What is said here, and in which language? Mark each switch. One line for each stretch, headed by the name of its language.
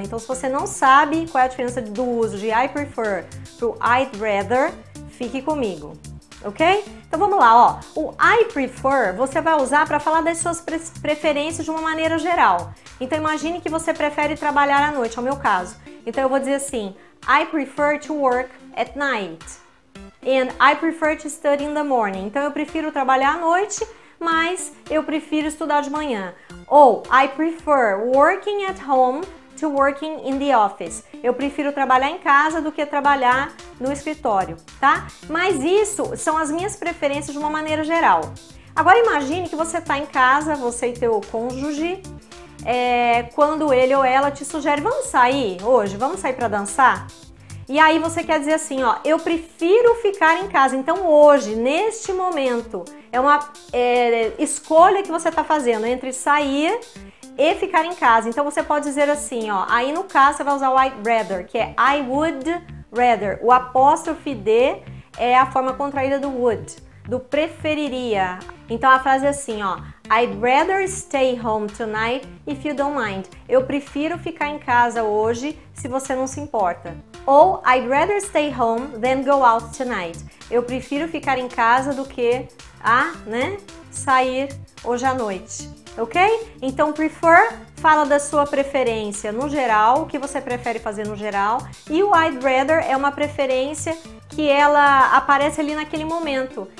Portuguese: Então, se você não sabe qual é a diferença do uso de I prefer pro I'd rather, fique comigo, ok? Então, vamos lá, ó. O I prefer, você vai usar para falar das suas preferências de uma maneira geral. Então, imagine que você prefere trabalhar à noite, é o meu caso. Então, eu vou dizer assim:
English: I prefer to work at night. And I prefer to study in the morning.
Portuguese: Então, eu prefiro trabalhar à noite, mas eu prefiro estudar de manhã.
English: Ou, I prefer working at home to working in the office.
Portuguese: Eu prefiro trabalhar em casa do que trabalhar no escritório, tá? Mas isso são as minhas preferências de uma maneira geral. Agora imagine que você está em casa, você e teu cônjuge, quando ele ou ela te sugere, vamos sair hoje, vamos sair para dançar? E aí você quer dizer assim, ó, eu prefiro ficar em casa. Então hoje, neste momento, é uma escolha que você está fazendo entre sair e ficar em casa. Então você pode dizer assim, ó, aí no caso você vai usar o I'd rather, que é I would rather. O apóstrofe D é a forma contraída do would, do preferiria. Então a frase é assim, ó,
English: I'd rather stay home tonight if you don't mind.
Portuguese: Eu prefiro ficar em casa hoje se você não se importa.
English: Ou, I'd rather stay home than go out tonight.
Portuguese: Eu prefiro ficar em casa do que sair hoje à noite, ok? Então, prefer fala da sua preferência no geral, o que você prefere fazer no geral. E o I'd rather é uma preferência que ela aparece ali naquele momento.